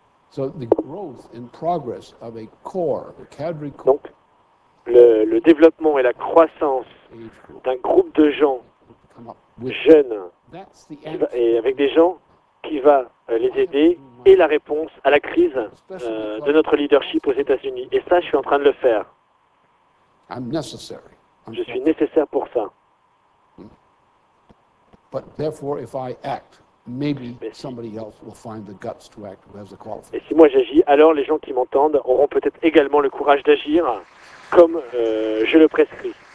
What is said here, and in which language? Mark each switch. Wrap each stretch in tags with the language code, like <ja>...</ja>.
<en>So the growth and progress of a core, a cadre core.</en> <fr>Donc, le développement et la croissance d'un groupe de gens jeunes et avec des gens qui va les aider est la réponse à la crise de notre leadership aux États-Unis. Et ça, je suis en train de le faire.</fr> <en>I'm necessary.</en> <fr>Je suis nécessaire pour ça.</fr> <en>But therefore, if I act, maybe somebody else will find the guts to act who has the qualifications.</en> <fr>Et si moi j'agis, alors les gens qui m'entendent auront peut-être également le courage d'agir, comme je le prescris.</fr>